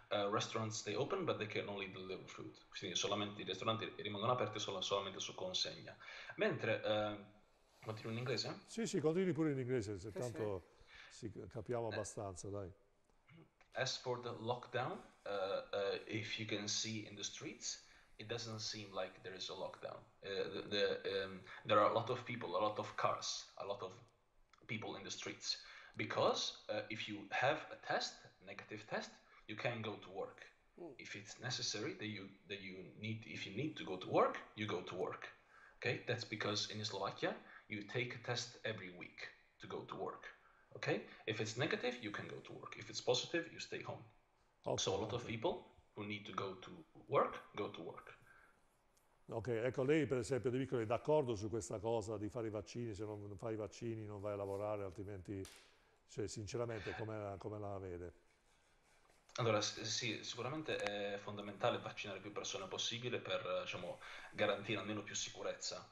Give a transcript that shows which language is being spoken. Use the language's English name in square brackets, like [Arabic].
[English] Restaurants stay open, but they can only deliver food. [Italian] Quindi solamente i ristoranti rimangono aperti solamente su consegna. Mentre, continuo in inglese? Sì, continui pure in inglese, se Sì. tanto si capiamo abbastanza, dai. [English] As for the lockdown, if you can see in the streets, it doesn't seem like there is a lockdown. There are a lot of people, a lot of cars, a lot of people in the streets. Because if you have a test, negative test, you can go to work. If it's necessary that if you need to go to work, you go to work. Okay? That's because in Slovakia you take a test every week to go to work. Okay? If it's negative, you can go to work. If it's positive, you stay home. So a lot of Ok, people who need to go to work, go to work. ok. [Italian] Ok, ecco, lei per esempio, De Vico, è d'accordo su questa cosa di fare i vaccini, se non fai i vaccini non vai a lavorare, altrimenti, cioè, sinceramente, come la vede? Allora, sì, sicuramente è fondamentale vaccinare più persone possibile per, diciamo, garantire almeno più sicurezza.